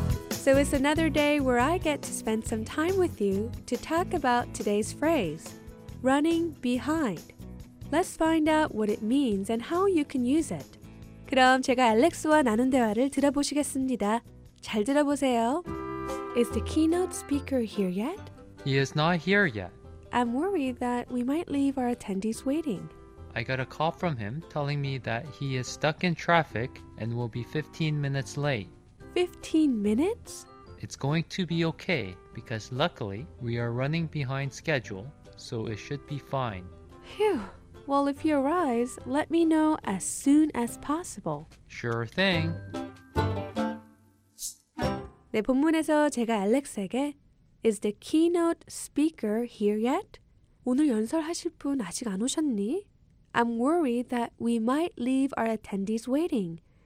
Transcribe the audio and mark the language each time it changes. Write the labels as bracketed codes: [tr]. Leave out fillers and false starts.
[en] So it's another day where I get to spend some time with you to talk about today's phrase, running behind. Let's find out what it means and how you can use it. [ko] 그럼 제가 알렉스와 나눈 대화를 들어보시겠습니다. 잘 들어보세요. [en] Is the keynote speaker here yet? He is not here yet. I'm worried that we might leave our attendees waiting. I got a call from him telling me that he is stuck in traffic and will be 15 minutes late. 15 minutes? It's going to be okay because luckily we are running behind schedule, so it should be fine. Phew. Well, if he arrives, let me know as soon as possible. Sure thing. [ko] 네, 본문에서 제가 알렉스에게 [en] Is the keynote speaker here yet? [ko] 오늘 연설하실 분 아직 안 오셨니? [en] I'm worried that we might leave our attendees waiting.